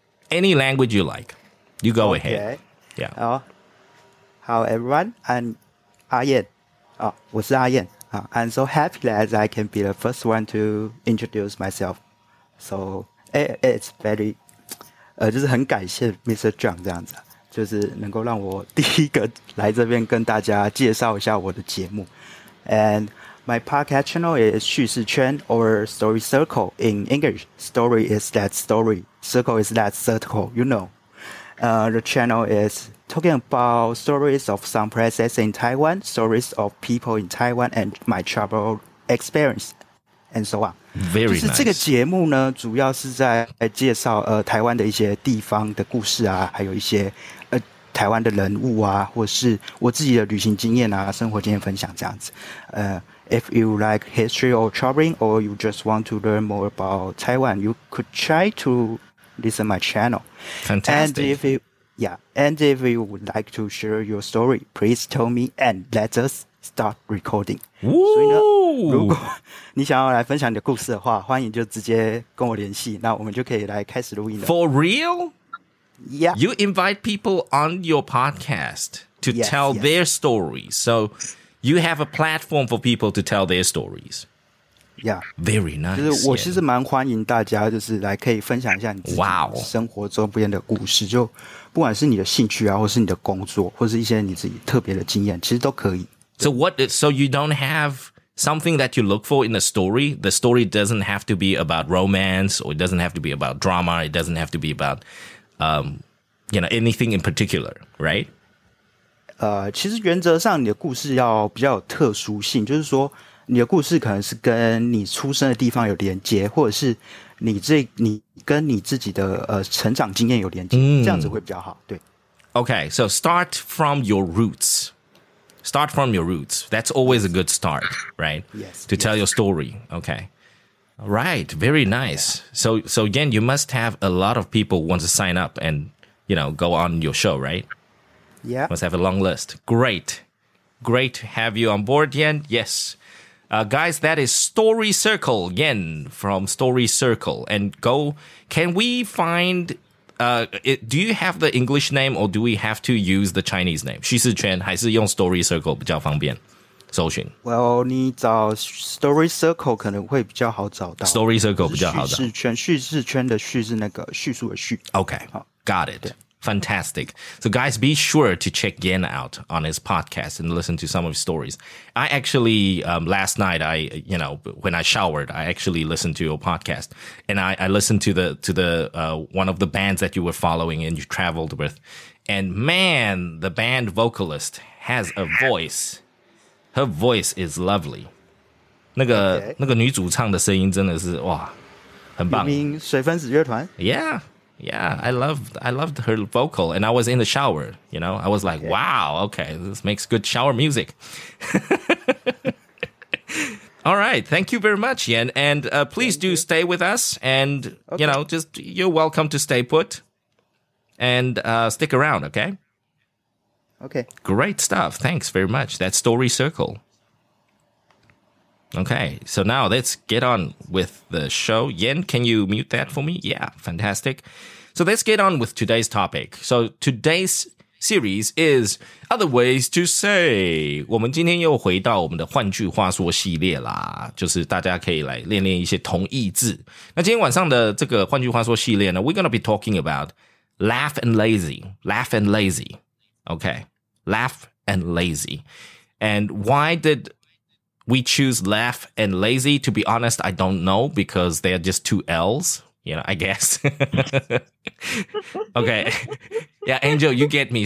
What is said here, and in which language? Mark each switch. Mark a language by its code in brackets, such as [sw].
[en] Any language you like, you go ahead. Okay. Yeah. Hello, everyone. I'm Ayan. Oh, [zh] 我是 [en] Ayan. I'm so happy that I can be the first one to introduce myself. So it's very, [zh] 就是很感谢 Mr. John 这样子，就是能够让我第一个来这边跟大家介绍一下我的节目。 [en] And my podcast channel is 叙事圈 or Story Circle in English. Story is that story. Circle is that circle, you know. The channel is talking about stories of some places in Taiwan, stories of people in Taiwan, and my travel experience, and so on. Very nice. [zh] 就是这个节目呢，主要是在介绍台湾的一些地方的故事啊，还有一些台湾的人物啊，或是我自己的旅行经验啊，生活经验分享这样子。 [en] If you like history or traveling, or you just want to learn more about Taiwan, you could try to listen my channel. Fantastic. And if you would like to share your story, please tell me and let us start recording. Woo! [zh] 所以呢，如果你想要来分享你的故事的话，欢迎就直接跟我联系，那我们就可以来开始录音了。 [en] For real? Yeah. You invite people on your podcast to yes, tell yes. their stories. So... You have a platform for people to tell their stories. Yeah. Very nice. [zh] 就是我其实蛮欢迎大家就是来可以分享一下你自己生活中不一样的故事、 [en] wow. [zh] 就不管是你的兴趣啊或是你的工作或是一些你自己特别的经验其实都可以。 [en] So you don't have something that you look for in a story. The story doesn't have to be about romance, or it doesn't have to be about drama. It doesn't have to be about, you know, anything in particular, right? [zh] 其实原则上你的故事要比较有特殊性，就是说你的故事可能是跟你出生的地方有连接，或者是你跟你自己的成长经验有连接，这样子会比较好。对。 [en] Okay, so start from your roots. Start from your roots. That's always a good start, right? Yes. To tell your story. Okay. All right. Very nice. Yeah. So again, you must have a lot of people want to sign up and, you know, go on your show, right? Yeah. Must have a long list. Great. Great to have you on board, Yen. Yes. Guys, that is Story Circle, Yen, from Story Circle. And go, can we find, do you have the English name or do we have to use the Chinese name? [zh] 徐世全还是用 Story Circle 比较方便搜寻。 Well, 你找 Story Circle 可能会比较好找到。 Story Circle 比较好找。徐世全的徐是那个叙述的叙。 [en] Okay, got it. Fantastic. So guys, be sure to check Yen out on his podcast and listen to some of his stories. I actually, last night, I, you know, when I showered, I actually listened to your podcast and I listened to one of the bands that you were following and you traveled with. And man, the band vocalist has a voice. Her voice is lovely. [zh] 那个女主唱的声音真的是哇，很棒。 [en] You mean 水分子乐团? Yeah. Yeah, I loved her vocal, and I was in the shower, you know? I was like, wow, okay, this makes good shower music. All right, thank you very much, Yen, and please do stay with us, and, you know, just you're welcome to stay put and stick around, okay? Okay. Great stuff. Thanks very much. That's Story Circle. Okay, so now let's get on with the show. Yen, can you mute that for me? Yeah, fantastic. So let's get on with today's topic. So today's series is Other Ways to Say. [zh] 我们今天又回到我们的换句话说系列啦，就是大家可以来练练一些同义字。那今天晚上的这个换句话说系列呢， [en] we're going to be talking about laugh and lazy. Laugh and lazy. Okay. Laugh and lazy. And why did we choose laugh and lazy? To be honest, I don't know because they are just two L's. You know, I guess. Okay. Yeah, Angel, you get me.